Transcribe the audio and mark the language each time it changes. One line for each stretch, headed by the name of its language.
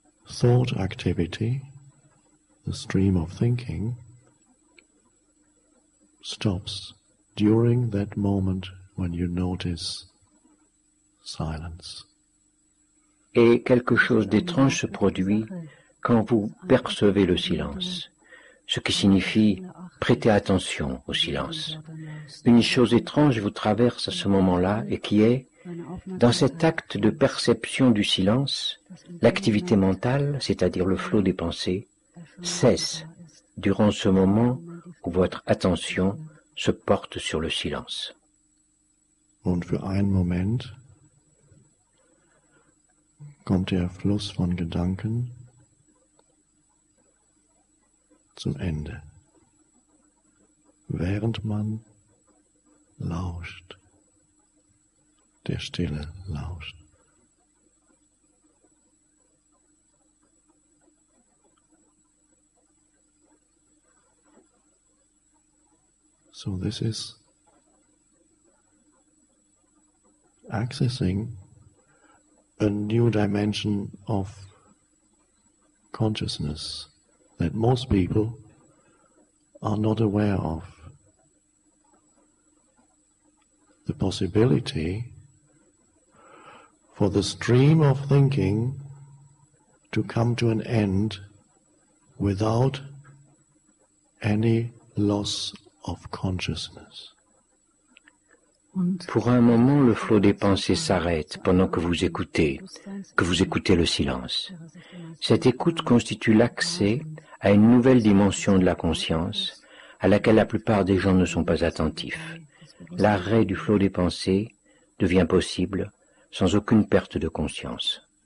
English: thought activity, the stream of thinking, stops during that moment when you notice silence.
French: Et quelque chose d'étrange se produit quand vous percevez le silence, ce qui signifie prêter attention au silence. Une chose étrange vous traverse à ce moment-là et qui est, dans cet acte de perception du silence, l'activité mentale, c'est-à-dire le flot des pensées, cesse durant ce moment où votre attention se porte sur le silence.
German: Und für einen Moment kommt der Fluss von Gedanken zum Ende, während man lauscht, der Stille lauscht.
English: So this is accessing a new dimension of consciousness that most people are not aware of. The possibility for the stream of thinking to come to an end without any loss of consciousness.
French: Pour un moment, le flot des pensées s'arrête pendant que vous écoutez le silence. Cette écoute constitue l'accès à une nouvelle dimension de la conscience à laquelle la plupart des gens ne sont pas attentifs. L'arrêt du flot des pensées devient possible sans aucune perte de conscience.